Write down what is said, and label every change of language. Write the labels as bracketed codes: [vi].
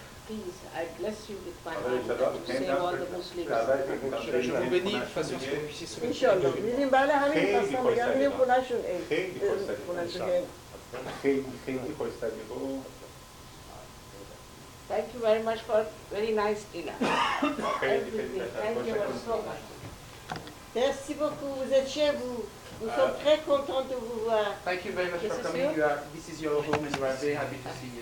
[en] please, I bless you with my heart and to save all the Muslims. [fr] Je vous bénis de façon que vous puissiez sauver. Inch'Allah. Nous disons, bah, les amis, nous sommes les amis pour l'Ashun Aid. [en] Thank you very much for very nice dinner. Thank you so much. [fr] Merci beaucoup, vous êtes chez vous. Nous sommes très contents de vous voir. [en] Thank you very much for coming. You are, this is your home, and we are very happy to see you.